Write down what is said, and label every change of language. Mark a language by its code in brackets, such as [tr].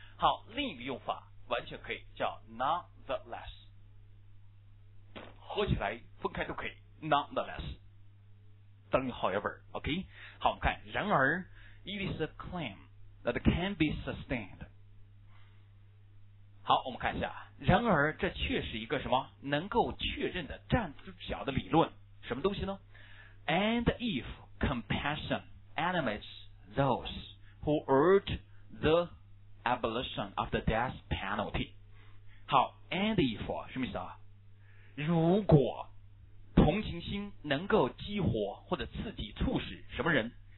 [zh] 好，另一个用法完全可以叫 nonetheless, 合起来分开都可以 nonetheless, 等于 however, OK? 好，我们看，然而 [en] it is a claim that can be sustained, [zh] 好，我们看一下。然而这却是一个什么能够确认的站住脚的理论，什么东西呢？ [en] And if compassion animates those who urge the abolition of the death penalty. [zh] 好， [en] and if [zh] 什么意思啊？如果同情心能够激活或者刺激促使什么人？